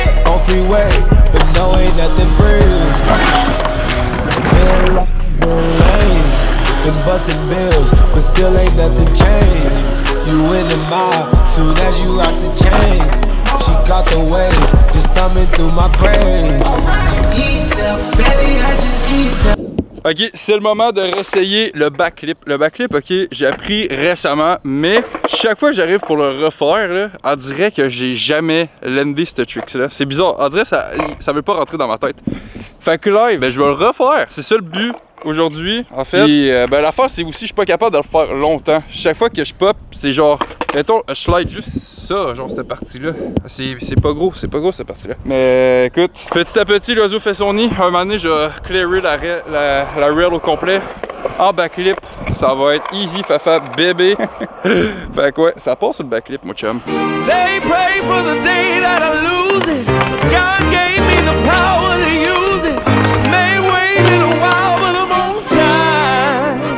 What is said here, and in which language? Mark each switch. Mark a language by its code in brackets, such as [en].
[en] On freeway, but no ain't nothing free. Feel like the lanes, been bustin' bills, but still ain't nothing changed. You in the mob, soon as you rock the chain. She caught the waves, just thumbing through my brains. [fr] Ok, c'est le moment de réessayer le backflip. Le backflip, ok, j'ai appris récemment, mais chaque fois que j'arrive pour le refaire, là, on dirait que j'ai jamais landé ce trick-là. C'est bizarre, on dirait que ça veut pas rentrer dans ma tête. Fait que live, ben, je vais le refaire. C'est ça le but aujourd'hui, en fait. Puis ben, l'affaire, c'est aussi que je suis pas capable de le faire longtemps. Chaque fois que je pop, c'est genre, mettons, je slide juste ça, genre cette partie-là. C'est pas gros cette partie-là. Mais écoute, petit à petit, l'oiseau fait son nid. Un moment donné, je vais clearer la rail au complet. En backflip, ça va être easy, fafa, bébé. Fait que ouais, ça passe sur le backflip, mon chum. [en] They pray for the day that I lose it. God gave me the power to use it. May wait in a while, but I'm on time.